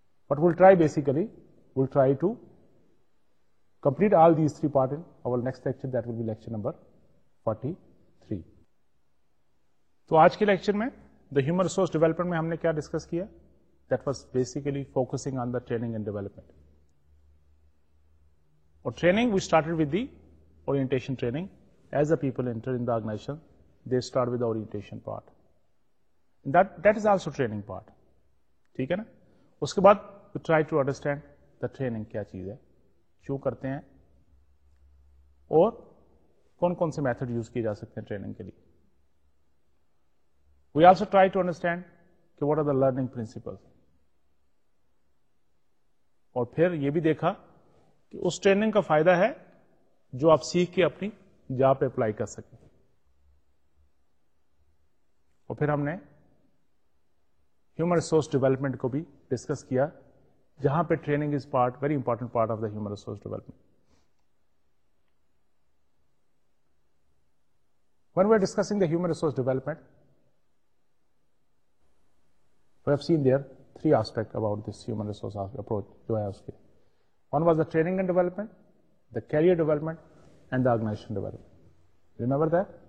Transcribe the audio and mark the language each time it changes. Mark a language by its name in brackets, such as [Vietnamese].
[English] But will try basically will try to complete all these three part in our next lecture, that will be lecture number 43. [Urdu] تو آج کے lecture میں the human resource development میں ہم نے کیا ڈسکس کیا, [English] That was basically focusing on the training and development. اور training we started with the orientation training. As the people enter in the organization they start with the orientation part, that is also training part, [Urdu] ٹھیک ہے نا. اس کے بعد [English] we try to understand [Urdu] the training کیا چیز ہے, کیوں کرتے ہیں اور کون کون سے میتھڈ یوز کیے جا سکتے ہیں ٹریننگ کے لیے. [English] We also try to understand کہ what are the learning principles. [Urdu] اور پھر یہ بھی دیکھا کہ اس ٹریننگ کا فائدہ ہے جو آپ سیکھ کے اپنی جاب پہ اپلائی کر سکیں. اور پھر ہم نے ہیومن ریسورس ڈیولپمنٹ کو بھی ڈسکس کیا, جہاں پہ [English] Training is part, very important part of the human resource development. When we are discussing the human resource development, we have seen there three aspects about this human resource approach. One was the training and development, the career development, and the organization development. Remember that?